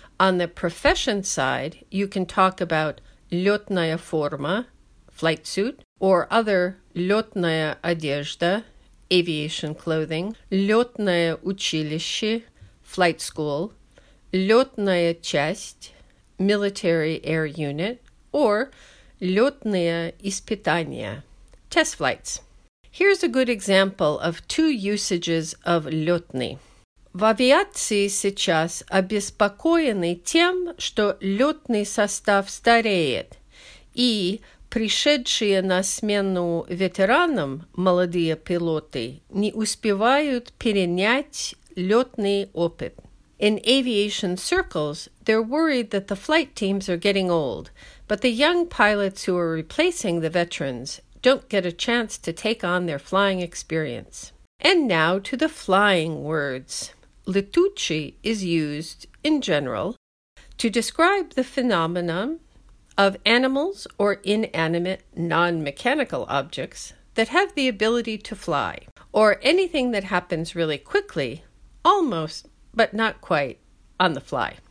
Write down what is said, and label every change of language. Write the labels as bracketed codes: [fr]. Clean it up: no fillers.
[en] On the profession side, you can talk about [ru] летная форма, [en] flight suit, or other [ru] летная одежда, [en] aviation clothing, [ru] летное училище, [en] flight school, [ru] летная часть, [en] military air unit, or [ru] летные испытания, [en] test flights. Here's a good example of two usages of летный. [ru] В авиации сейчас обеспокоены тем, что летный состав стареет, и пришедшие на смену ветеранам молодые пилоты не успевают перенять летный опыт. [en] In aviation circles, they're worried that the flight teams are getting old, but the young pilots who are replacing the veterans don't get a chance to take on their flying experience. And now to the flying words. Летучий is used, in general, to describe the phenomenon of animals or inanimate, non-mechanical objects that have the ability to fly, or anything that happens really quickly, almost, but not quite, on the fly.